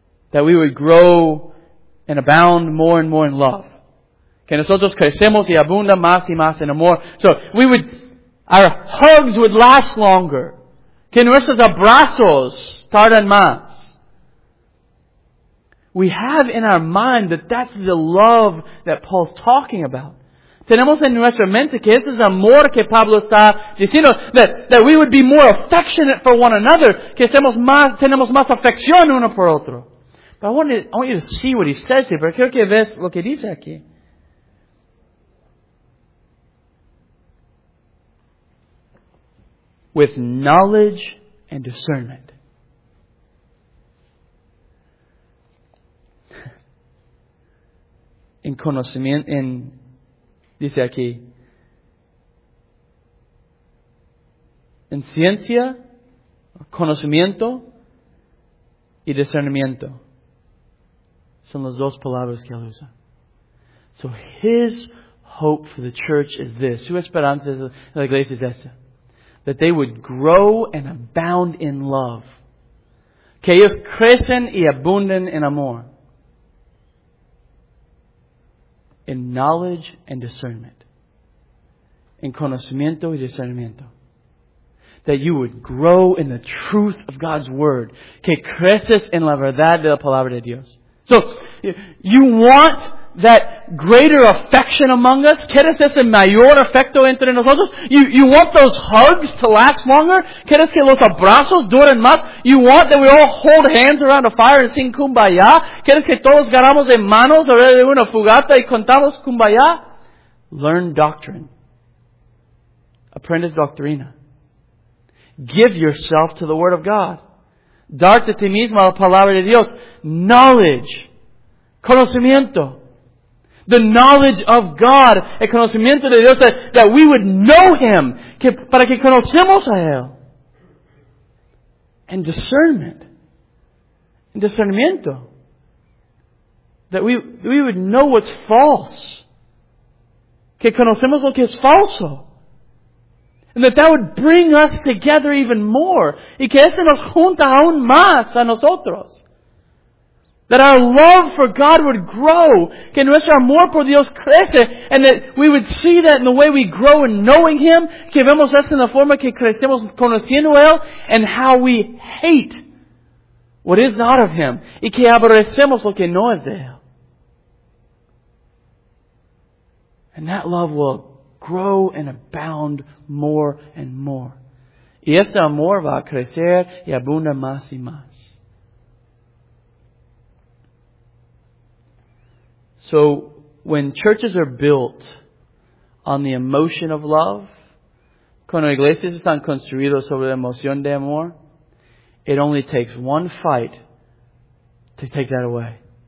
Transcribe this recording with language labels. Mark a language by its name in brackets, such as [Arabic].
[English] That we would grow and abound more and more in love. [Spanish] Que nosotros crecemos y abunda más y más en amor. [English] So, our hugs would last longer. [Spanish] que nuestros abrazos tardan más. [English] We have in our mind that that's the love that Paul's talking about. [Spanish] Tenemos en nuestra mente que ese es amor que Pablo está diciendo, [English] that we would be more affectionate for one another, [Spanish] que tenemos más afección uno por otro. [English] But I want you to see what he says here, [Spanish] pero quiero que veas lo que dice aquí. [English] With knowledge and discernment. [Spanish] En conocimiento, en, dice aquí, en ciencia, conocimiento y discernimiento. Son las dos palabras que él usa. [English] So his hope for the church is this. [Spanish] Su esperanza en la iglesia es esta. [English] That they would grow and abound in love. [Spanish] Que ellos crecen y abunden en amor. [English] In knowledge and discernment. [Spanish] In conocimiento y discernimiento. [English] That you would grow in the truth of God's Word. [Spanish] Que creces en la verdad de la palabra de Dios. [English] So, you want that greater affection among us? [Spanish] ¿Quieres ese mayor afecto entre nosotros? [English] You want those hugs to last longer? [Spanish] ¿Quieres que los abrazos duren más? [English] You want that we all hold hands around a fire and sing kumbaya? [Spanish] ¿Quieres que todos ganamos de manos alrededor de una fogata y contamos kumbaya? [English] Learn doctrine. [Spanish] Aprendes doctrina. [English] Give yourself to the Word of God. [Spanish] Darte a ti mismo a la palabra de Dios. [English] Knowledge. Conocimiento. The knowledge of God, [Spanish] el conocimiento de Dios, [English] that we would know Him, [Spanish] que, para que conocemos a Él. [English] And discernment. And discernimiento. That we would know what's false. [Spanish] Que conocemos lo que es falso. [English] And that would bring us together even more. [Spanish] Y que ese nos junta aún más a nosotros. [English] That our love for God would grow. [Spanish] Que nuestro amor por Dios crece. [English] And that we would see that in the way we grow in knowing Him. [Spanish] Que vemos eso en la forma que crecemos conociendo a Él. [English] And how we hate what is not of Him. [Spanish] Y que aborrecemos lo que no es de Él. [English] And that love will grow and abound more and more. [Spanish] Y este amor va a crecer y abunda más y más. [English] So, when churches are built on the emotion of love, [Spanish] cuando iglesias están construidas sobre la emoción de amor, [English] it only takes one fight to take that away.